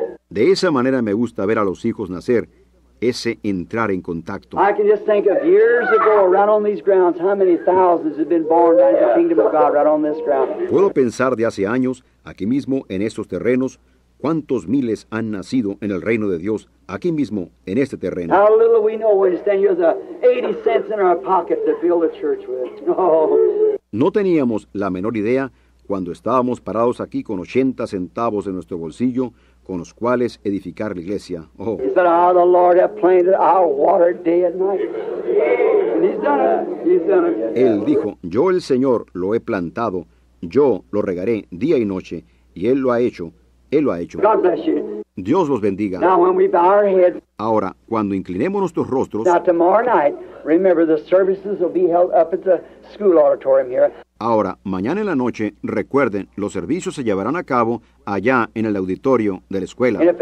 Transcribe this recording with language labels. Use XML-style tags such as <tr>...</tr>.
<es>De esa manera me gusta ver a los hijos nacer, ese entrar en contacto.</es> <en>I can just think of years ago, right on these grounds, how many thousands have been born out of the kingdom of God, right on this ground.</en> <es>Puedo pensar de hace años, aquí mismo, en estos terrenos, cuántos miles han nacido en el reino de Dios, aquí mismo, en este terreno.</es> <en>How little we know when you stand here with 80 cents in our pocket to build a church with. Oh.</en> <es>No teníamos la menor idea cuando estábamos parados aquí con 80 centavos en nuestro bolsillo con los cuales edificar la iglesia. Oh.</es> <en>He said, ah, the Lord have planted our water day and night. And he's done it. He's done it.</en> <es>Él dijo, yo el Señor lo he plantado, yo lo regaré día y noche, y Él lo ha hecho, Él lo ha hecho.</es> <en>God bless you.</en> <es>Dios los bendiga.</es> <en>Now, when we bow our heads,</en> <es>ahora, cuando inclinemos nuestros rostros,</es> <en>now, tomorrow night, remember, the services will be held up at the school auditorium here.</en> <es>Ahora, mañana en la noche, recuerden, los servicios se llevarán a cabo allá en el auditorio de la escuela.</es>